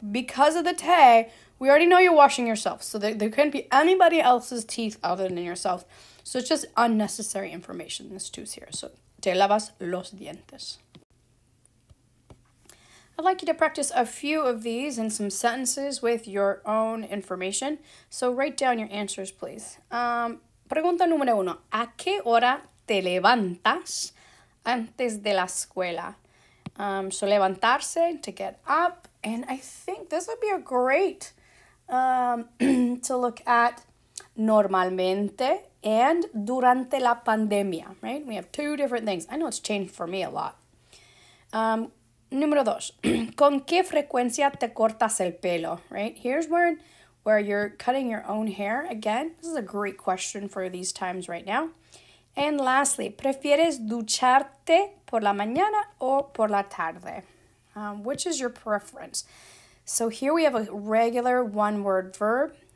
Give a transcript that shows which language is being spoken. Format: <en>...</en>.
<en>Because of the te, we already know you're washing yourself. So there couldn't be anybody else's teeth other than yourself. So it's just unnecessary information. This two's here. So</en> <es>te lavas los dientes.</es> <en>I'd like you to practice a few of these in some sentences with your own information. So write down your answers, please.</en> <es>Pregunta número uno. ¿A qué hora te levantas antes de la escuela?</es> <en>So levantarse, to get up. And I think this would be a great to look at</en> <es>normalmente</es> <en>and</en> <es>durante la pandemia,</es> <en>right? We have two different things. I know it's changed for me a lot.</en> <es>Número dos, ¿con qué frecuencia te cortas el pelo?</es> <en>Right, here's where you're cutting your own hair. Again, this is a great question for these times right now. And lastly,</en> <es>¿prefieres ducharte por la mañana o por la tarde?</es> <en>Which is your preference? So here we have a regular one-word verb.</en>